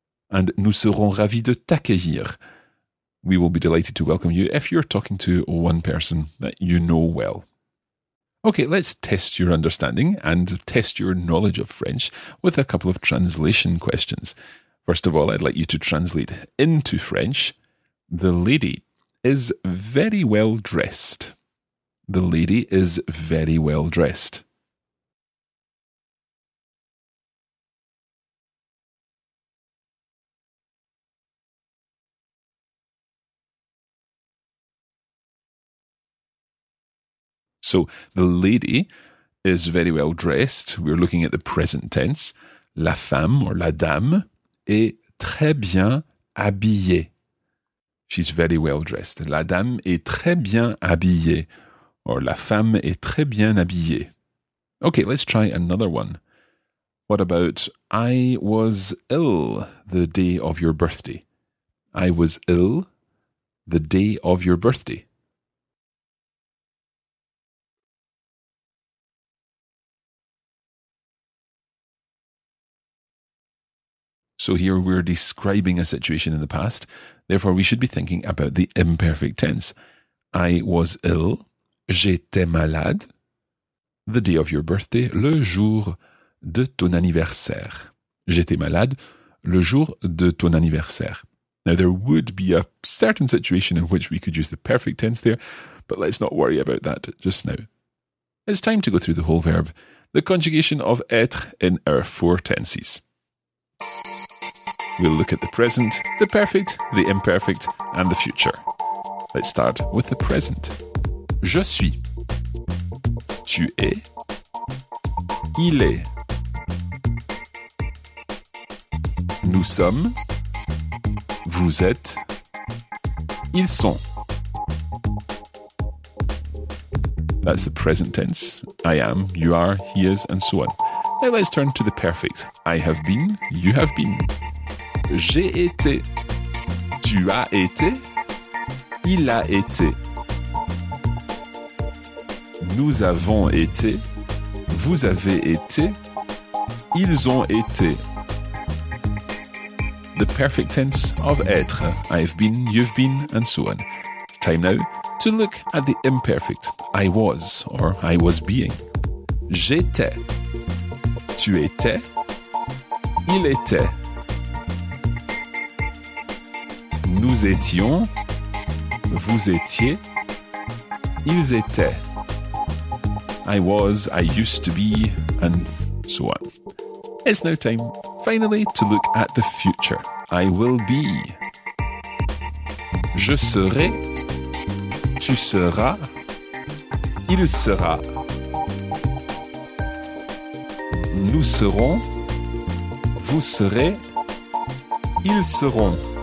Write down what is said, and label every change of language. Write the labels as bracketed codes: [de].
[en] And [fr] nous serons ravis de t'accueillir. [en] We will be delighted to welcome you if you're talking to one person that you know well. Okay, let's test your understanding and test your knowledge of French with a couple of translation questions. First of all, I'd like you to translate into French. The lady is very well dressed. The lady is very well dressed. So, the lady is very well dressed. We're looking at the present tense. [fr] La femme, or la dame, est très bien habillée. [en] She's very well dressed. [fr] La dame est très bien habillée. Or, la femme est très bien habillée. [en] Okay, let's try another one. What about, I was ill the day of your birthday? I was ill the day of your birthday. So here we're describing a situation in the past. Therefore, we should be thinking about the imperfect tense. I was ill. [fr] J'étais malade. [en] The day of your birthday. [fr] Le jour de ton anniversaire. J'étais malade. Le jour de ton anniversaire. [en] Now, there would be a certain situation in which we could use the perfect tense there. But let's not worry about that just now. It's time to go through the whole verb. The conjugation of être in our four tenses. We'll look at the present, the perfect, the imperfect, and the future. Let's start with the present. [fr] Je suis. Tu es. Il est. Nous sommes. Vous êtes. Ils sont. [en] That's the present tense. I am, you are, he is, and so on. Now let's turn to the perfect. I have been, you have been. [fr] J'ai été. Tu as été. Il a été. Nous avons été. Vous avez été. Ils ont été. [en] the perfect tense of être, I have been, you've been, and so on. Time now to look at the imperfect, I was, or I was being. [fr] J'étais, tu étais, il était, nous étions, vous étiez, ils étaient, [en] I was, I used to be, and so on. It's now time, finally, to look at the future. I will be. [fr] Je serai. Tu seras. Il sera. Nous serons. Vous serez. Ils seront.